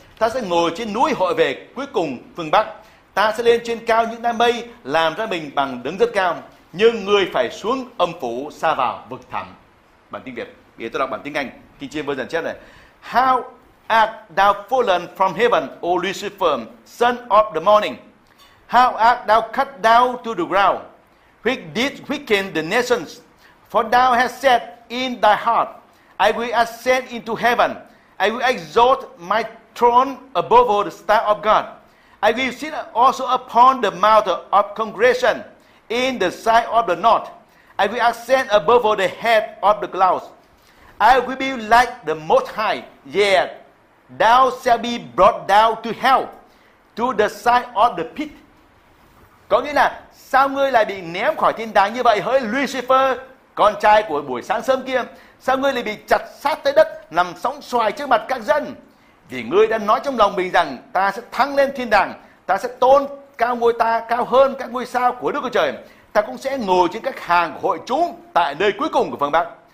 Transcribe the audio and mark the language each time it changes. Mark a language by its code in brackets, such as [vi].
[vi] Ta sẽ ngồi trên núi hội về cuối cùng phương Bắc. Ta sẽ lên trên cao những đám mây, làm ra mình bằng đứng rất cao. Nhưng ngươi phải xuống âm phủ, xa vào vực thẳm. Bản tiếng Việt, để tôi đọc bản tiếng Anh, King James Version chép này: [en] How art thou fallen from heaven, O Lucifer, son of the morning? How art thou cut down to the ground, which did weaken the nations? For thou hast said in thy heart, I will ascend into heaven, I will exalt my throne above all the star of God. I will sit also upon the mount of congregation in the side of the north. I will ascend above all the head of the clouds. I will be like the Most High, yet thou shalt be brought down to hell, to the side of the pit. [vi] Có nghĩa là sao ngươi lại bị ném khỏi thiên đàng như vậy, hỡi Lucifer, con trai của buổi sáng sớm kia? Sao ngươi lại bị chặt sát tới đất, nằm sóng xoài trước mặt các dân? Vì ngươi đã nói trong lòng mình rằng ta sẽ thăng lên thiên đàng, ta sẽ tôn cao ngôi ta cao hơn các ngôi sao của Đức Chúa Trời, ta cũng sẽ ngồi trên các hàng hội chúng tại nơi cuối cùng của phương Bắc.